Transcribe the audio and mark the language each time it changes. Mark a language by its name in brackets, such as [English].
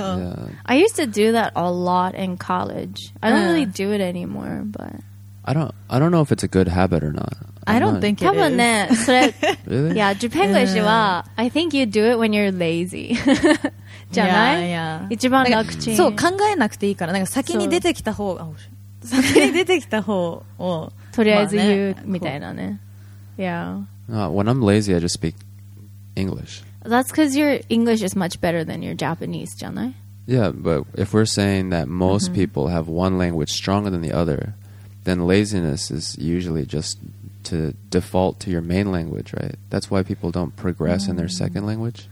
[English] Yeah. I used to do that a lot in college. I don't really do it anymore, but... I don't know if it's a good habit or not. I don't think it is. [Japanese] 多分ね、それ... [English] really? Yeah, Japanglish は... I think you do it when you're lazy. [Japanese] じゃない? [English] Yeah, yeah. [Japanese] 一番楽ちん。そう、考えなくていいから。なんか先に出てきた方が、so. 先に出てきた方を、とりあえず言う、まあね、みたいなね。 [English] Yeah. When I'm lazy, I just speak English. That's because your English is much better than your Japanese, janai? Yeah, but if we're saying that most mm-hmm. people have one language stronger than the other, then laziness is usually just to default to your main language, right? That's why people don't progress mm-hmm. in their second language.